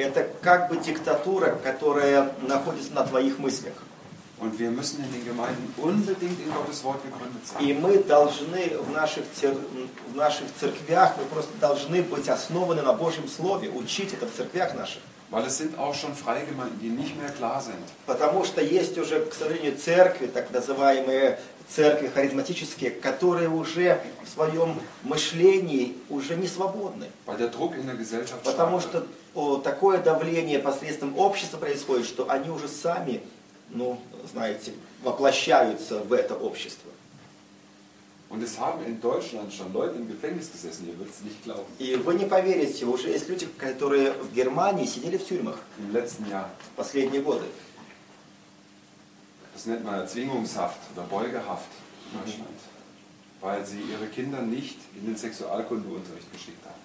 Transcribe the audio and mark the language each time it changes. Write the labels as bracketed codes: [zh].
[ru] Это как бы диктатура, которая находится на твоих мыслях. [de] Und wir müssen in den Gemeinden unbedingt in Gottes Wort gegründet sein. [ru] И мы должны в наших церквях, мы просто должны быть основаны на Божьем слове, учить это в церквях наших. [de] Weil es sind auch schon Freigemeinden, die nicht mehr klar sind. [ru] Потому что есть уже, к сожалению, церкви, так называемые церкви харизматические, которые уже в своем мышлении уже не свободны. [de] Weil der Druck in der Gesellschaft [ru] Потому что такое давление посредством общества происходит, что они уже сами, ну, знаете, воплощаются в это общество. [de] Und es haben in Deutschland schon Leute im Gefängnis gesessen, ihr würdet es nicht glauben. [ru] И вы не поверите, уже есть люди, которые в Германии сидели в тюрьмах. [de] Im letzten Jahr. [ru] Последние годы. [de] Das nennt man Erzwingungshaft oder Beugehaft in Deutschland. Mhm. Weil sie ihre Kinder nicht in den Sexualkundeunterricht geschickt haben.